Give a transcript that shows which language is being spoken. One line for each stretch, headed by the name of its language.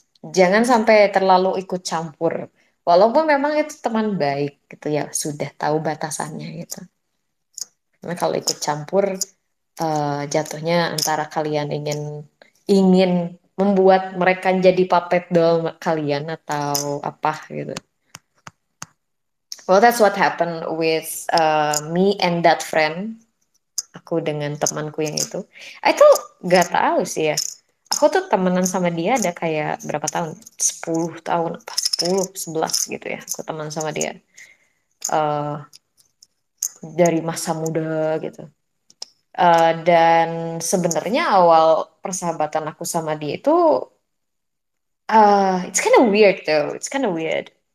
Indonesian: Jangan sampai terlalu ikut campur, walaupun memang itu teman baik gitu ya, sudah tahu batasannya gitu. Karena kalau ikut campur, jatuhnya antara kalian ingin ingin membuat mereka jadi puppet doll kalian atau apa gitu.
English: Well, that's what happened with me and that friend.
Indonesian: Aku dengan temanku yang itu. Itu gak tahu sih ya. Aku tuh temenan sama dia ada kayak berapa tahun? 10 tahun apa? 10, 11 gitu ya. Aku teman sama dia. Dari masa muda gitu. Dan sebenarnya awal persahabatan aku sama dia itu,
English: it's kind of weird
Indonesian: though, it's kind of weird.